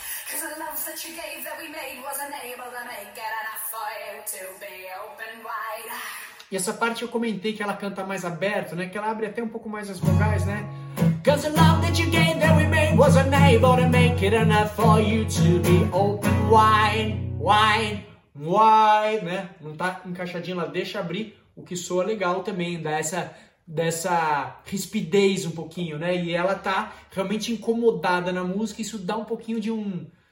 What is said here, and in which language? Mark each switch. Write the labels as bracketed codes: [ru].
[en] Cause the love that you gave that we made wasn't able to make it enough for you to be open wide. [pt] E essa parte eu comentei que ela canta mais aberto, né? Que ela abre até um pouco mais as vogais, né? [en] Cause the love that you gave that we made wasn't able to make it enough for you to be open wide, wide, wide, [pt] né? Não tá encaixadinho, ela deixa abrir, o que soa legal também, dá essa rispidez um pouquinho, né? E ela tá realmente incomodada na música, isso dá um pouquinho de um...